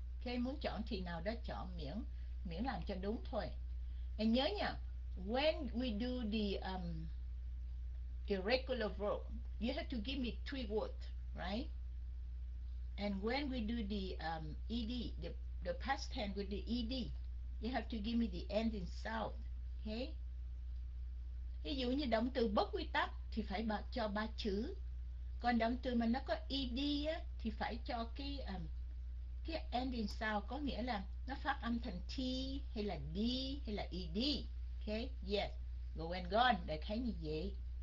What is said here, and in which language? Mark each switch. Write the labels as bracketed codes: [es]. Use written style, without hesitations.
[vi] Ok, muốn chọn thì nào đó chọn, miễn miễn làm cho đúng thôi. Em nhớ nha, [en] when we do the irregular verb, you have to give me three words, right? And when we do the ED, the past tense with the ED, you have to give me the ending sound, okay? [vi] Ví dụ như động từ bất quy tắc thì phải cho ba chữ. Còn động từ mà nó có ED á, thì phải cho cái ending sound, có nghĩa là nó phát âm thành T hay là D hay là ED. [en] Okay, yes, go and gone, [vi] đại khái như vậy.